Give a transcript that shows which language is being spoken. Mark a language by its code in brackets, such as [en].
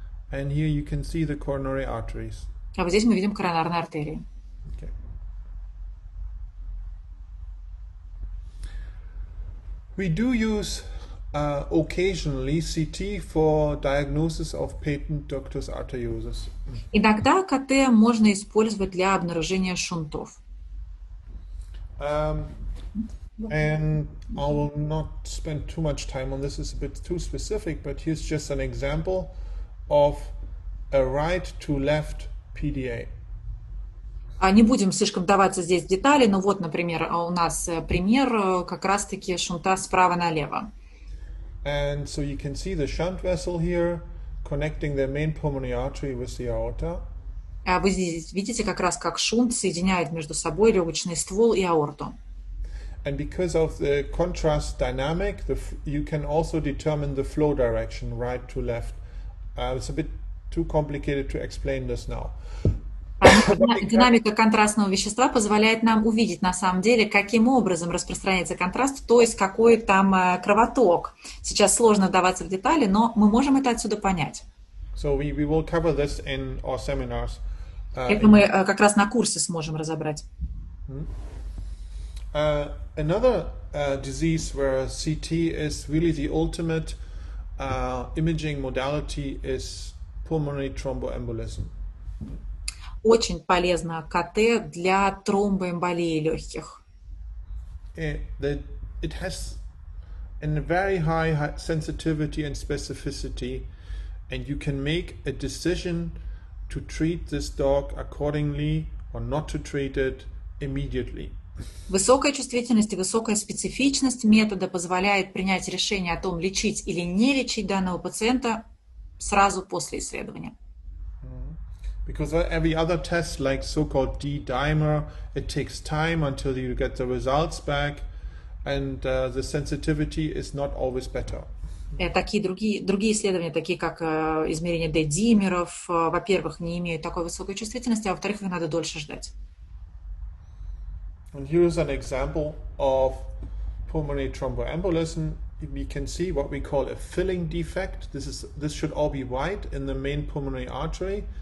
[en] And here you can see the coronary arteries. [ru] А вот здесь мы видим коронарные артерии. [en] Okay. We do use occasionally CT for diagnosis of patent ductus arteriosus. [ru] Иногда КТ можно использовать для обнаружения шунтов. [en] And I will not spend too much time on this, it's a bit too specific, but here's just an example of a right to left PDA. [ru] Не будем слишком вдаваться здесь в детали, но вот, например, у нас пример как раз-таки шунта справа налево. [en] And so you can see the shunt vessel here connecting the main pulmonary artery with the aorta. [ru] Вы здесь видите как раз, как шунт соединяет между собой легочный ствол и аорту. [en] And because of the contrast dynamic, you can also determine the flow direction right to left. It's a bit too complicated to explain this now. [ru] Динамика контрастного вещества позволяет нам увидеть на самом деле, каким образом распространяется контраст, то есть какой там кровоток. Сейчас сложно вдаваться в детали, но мы можем это отсюда понять. [en] So we will cover this in our seminars. [ru] Это мы как раз на курсе сможем разобрать. [en] Another disease where CT is really the ultimate imaging modality is pulmonary thromboembolism. [ru] Очень полезно КТ для тромбоэмболии легких. [en] It has a very high sensitivity and specificity, and you can make a decision to treat this dog accordingly or not to treat it immediately. [ru] Высокая чувствительность и высокая специфичность метода позволяет принять решение о том, лечить или не лечить данного пациента сразу после исследования. [en] Because every other test, like so-called D-dimer, it takes time until you get the results back, and the sensitivity is not always better. [ru] Такие другие исследования, такие как измерение D-димеров, во-первых, не имеют такой высокой чувствительности, а во-вторых, их надо дольше ждать. [en] And here is an example of pulmonary thromboembolism. We can see what we call a filling defect. This should all be white in the main pulmonary artery.